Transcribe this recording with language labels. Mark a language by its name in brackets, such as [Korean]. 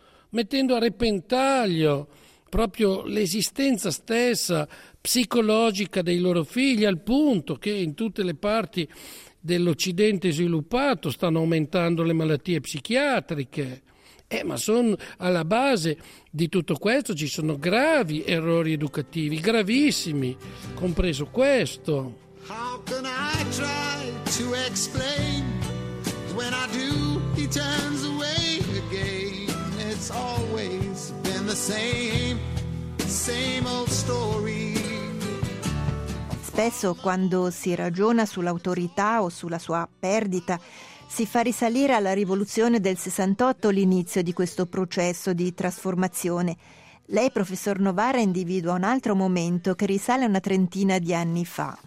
[Italian] mettendo a repentaglio proprio l'esistenza stessa psicologica dei loro figli, al punto che in tutte le parti dell'Occidente sviluppato stanno aumentando le malattie psichiatriche. Ma sono alla base di tutto questo, ci sono gravi errori educativi, gravissimi, compreso questo. [English] How can I try to explain when I do he turns away again? It's always been the same old story. [Italian] Spesso quando si ragiona sull'autorità o sulla sua perdita si fa risalire alla rivoluzione del 68 l'inizio di questo processo di trasformazione. Lei, professor Novara, individua un altro momento che risale a una trentina di anni fa.